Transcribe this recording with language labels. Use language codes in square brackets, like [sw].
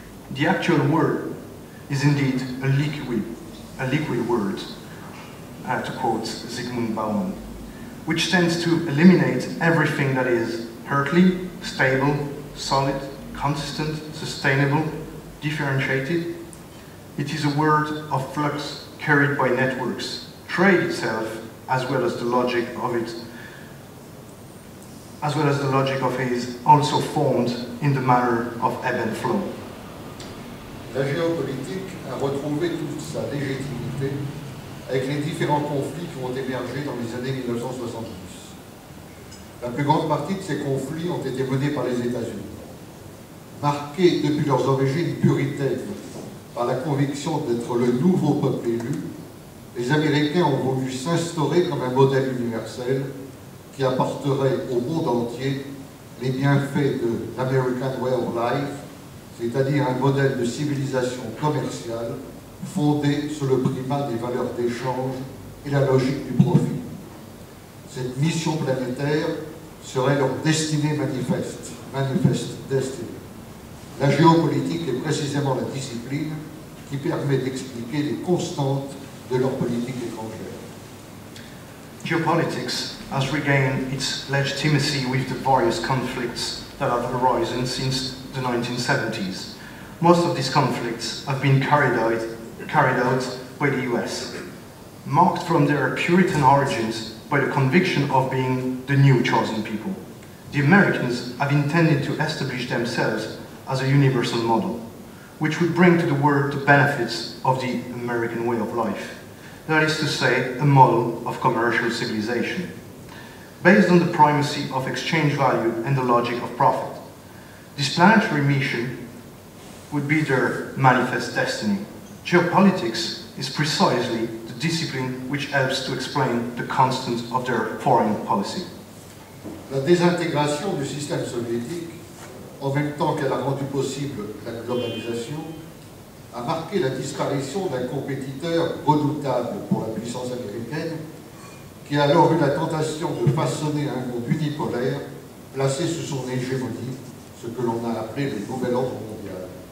[en] The actual world is indeed a liquid world, to quote Zygmunt Bauman, which tends to eliminate everything that is earthly, stable, solid, consistent, sustainable, differentiated. It is a world of flux carried by networks. Trade itself, as well as the logic of it, as well as the logic of it, is also formed in the manner of ebb and flow. [fr] la géopolitique a retrouvé toute sa légitimité avec les différents conflits qui ont émergé dans les années 1970. La plus grande partie de ces conflits ont été menés par les États-Unis. Marqués depuis leurs origines puritaines par la conviction d'être le nouveau peuple élu, les Américains ont voulu s'instaurer comme un modèle universel qui apporterait au monde entier les bienfaits de l'American Way of Life, c'est-à-dire un modèle de civilisation commerciale fondé sur le primat des valeurs d'échange et la logique du profit. Cette mission planétaire serait leur destinée manifeste, manifest destiny. La géopolitique est précisément la discipline qui permet d'expliquer les constantes de leur politique étrangère. [en] Geopolitics has regained its legitimacy with the various conflicts that have arisen since the 1970s. Most of these conflicts have been carried out by the US, marked from their Puritan origins by the conviction of being the new chosen people. The Americans have intended to establish themselves as a universal model, which would bring to the world the benefits of the American way of life. That is to say, a model of commercial civilization, based on the primacy of exchange value and the logic of profit. This planetary mission would be their manifest destiny. Geopolitics is precisely the discipline which helps to explain the constant of their foreign policy. [fr] La désintégration du système soviétique, en même temps qu'elle a rendu possible la globalisation, a marqué la disparition d'un compétiteur redoutable pour la puissance américaine, qui a alors eu la tentation de façonner un monde unipolaire placé sous son hégémonie, ce que l'on a appelé le nouvel ordre mondial.